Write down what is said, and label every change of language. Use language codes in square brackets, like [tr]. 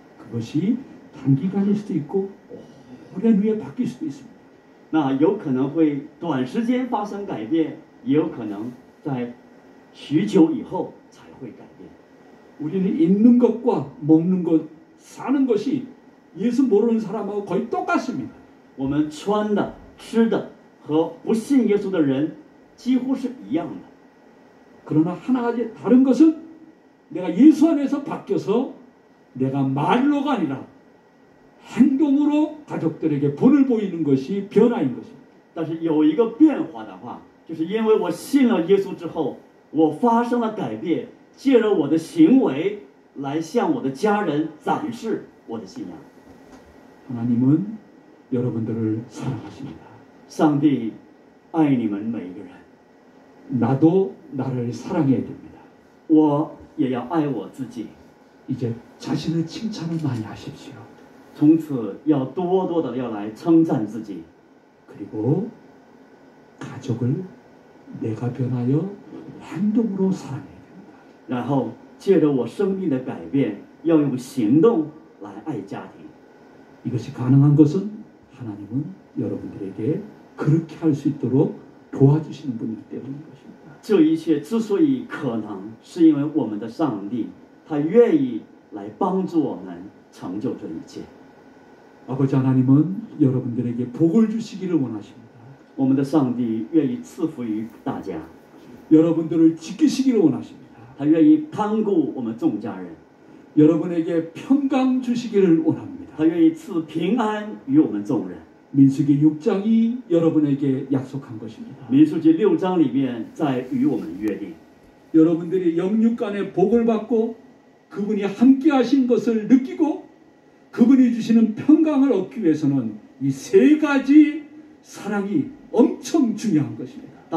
[ko] 그것이 단기간일 수도 있고 오랜 후에 바뀔 수도 있습니다. [zh] 那有可能会短时间发生改变，也有可能在许久以后才会改变。 [ko] 우리는 있는 것과 먹는 것, 사는 것이 예수 모르는 사람하고 거의 똑같습니다. [zh] 我们穿的、吃的和不信耶稣的人几乎是一样的。 [ko] 그러나 하나의 다른 것은 내가 예수 안에서 바뀌어서 내가 말로가 아니라 행동으로 가족들에게 본을 보이는 것이 변화인 것입니다. [zh] 但是有一个变化的话，就是因为我信了耶稣之后，我发生了改变，借着我的行为来向我的家人展示我的信仰。 [ko] 하나님은 여러분들을 사랑하십니다. [zh] 上帝爱你们每一个人。 [ko] 나도 나를 사랑해야 됩니다. [zh] 我也要爱我自己。 [ko] 이제 자신을 칭찬을 많이 하십시오. [zh] 从此要多多的要来称赞自己。 [ko] 그리고 가족을 내가 변하여 행동으로 사랑해야 된다. [zh] 然后借着我生命的改变，要用行动来爱家庭。 [ko] 이것이 가능한 것은 하나님은 여러분들에게 그렇게 할 수 있도록 도와주시는 분이기 때문인 것입니다. [zh] 这一切之所以可能，是因为我们的上帝，他愿意来帮助我们成就这一切。 [ko] 아버지 하나님은 여러분들에게 복을 주시기를 원하십니다. [zh] 我们的上帝愿意赐福于大家。 [ko] 여러분들을 지키시기를 원하십니다. [zh] 他愿意看顾我们众家人。 [ko] 여러분에게 평강 주시기를 원합니다. [zh] 他愿意赐平安于我们众人。 [ko] 민수기 6장이 여러분에게 약속한 것입니다. [zh] 민수기 6장里面在与我们约定。 [ko] 여러분들이 영육 간에 복을 받고 그분이 함께 하신 것을 느끼고 그분이 주시는 평강을 얻기 위해서는 이 세 가지 사랑이 엄청 중요한 것입니다.